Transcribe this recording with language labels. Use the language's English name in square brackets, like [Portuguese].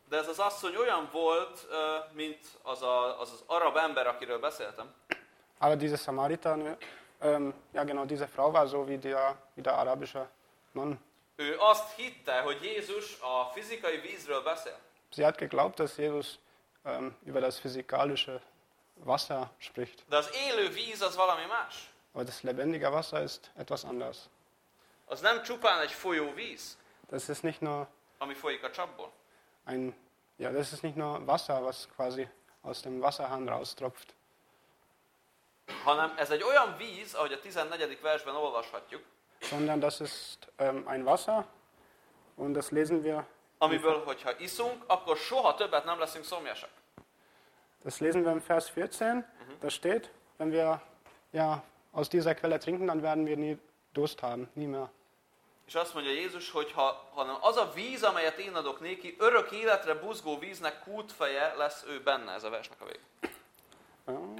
[Hungarian] De ez az asszony olyan volt, mint az arab ember, akiről beszéltem. [German] Aber diese Samaritane, diese Frau war so wie der arabische Mann. [Hungarian] Ő azt hitte, hogy Jézus a fizikai vízről beszél. [German] Sie hat geglaubt, dass Jesus über das physikalische Wasser spricht. [Hungarian] De az élő víz az valami más. [German] Aber das lebendige Wasser ist etwas anders. [Hungarian] Az nem csupán egy folyó víz. [German] Das ist nicht nur [Hungarian] ami folyik a csapból. [German] Das ist nicht nur Wasser, was quasi aus dem Wasserhahn raustropft. [Hungarian] Hanem ez egy olyan víz, ahogy a 14. versben olvashatjuk. [German] Sondern das ist ein Wasser und das lesen wir. [Hungarian] Amiből, hogyha iszunk, akkor soha többet nem leszünk szomjasak. [German] Das lesen wir im Vers 14. Da steht, wenn wir aus dieser Quelle trinken, dann werden wir nie Durst haben, nie mehr. [Hungarian] És azt mondja Jézus, hogy hanem az a víz, amelyet én adok néki, örök életre buzgó víznek kútfeje lesz ő benne, ez a versnek a vége.